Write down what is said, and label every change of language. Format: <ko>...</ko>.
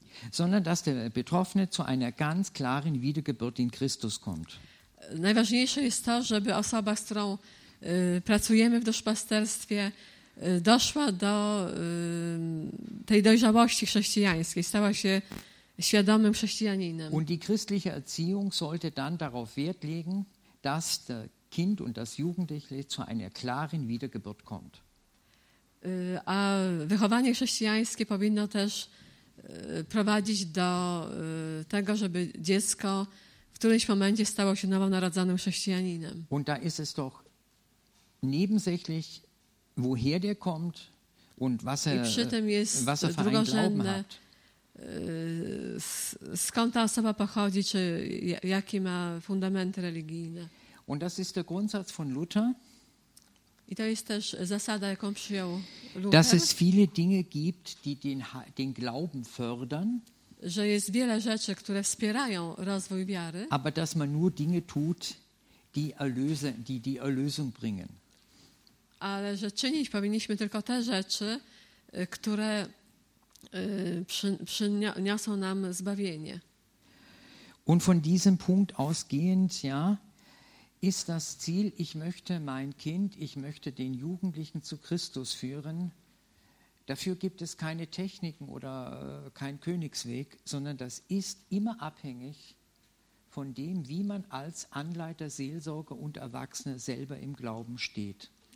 <de>Sondern dass der Betroffene zu einer ganz klaren Wiedergeburt in Christus kommt.</de> <pl>Najważniejsze jest to, żeby osoba, z którą pracujemy w duszpasterstwie, doszła do tej dojrzałości chrześcijańskiej, stała się świadomym chrześcijaninem.</pl> <de>Und die christliche Erziehung sollte dann darauf Wert legen, dass das Kind und das Jugendliche zu einer klaren Wiedergeburt kommt.</de> <pl>A wychowanie chrześcijańskie powinno też prowadzić do tego, żeby dziecko w którymś momencie stało się nowonarodzonym chrześcijaninem.</pl> <de>Und da ist es doch nebensächlich, woher der kommt und was er für einen Glauben hat.</de> <pl>Skąd ta osoba pochodzi, czy jakie ma fundamenty religijne.</pl> <de>Und das ist der Grundsatz von Luther.</de> <pl>I to jest też zasada, jaką przyjął Luther.</pl> <de>Dass es viele Dinge gibt, die den Glauben fördern.</de> <pl>Że jest wiele rzeczy, które wspierają rozwój wiary.</pl> <de>Aber dass man nur Dinge tut, die Erlösung bringen.</de> <pl>Ale że czynić powinniśmy tylko te rzeczy, które przyniosą nam zbawienie.</pl> <de>Und von diesem Punkt ausgehend, ja, ist das Ziel, ich möchte mein Kind, ich möchte den Jugendlichen zu Christus führen. Dafür gibt es keine Techniken oder kein Königsweg, sondern das ist immer abhängig von dem, wie man als Anleiter, Seelsorger und Erwachsene selber im Glauben steht.</de>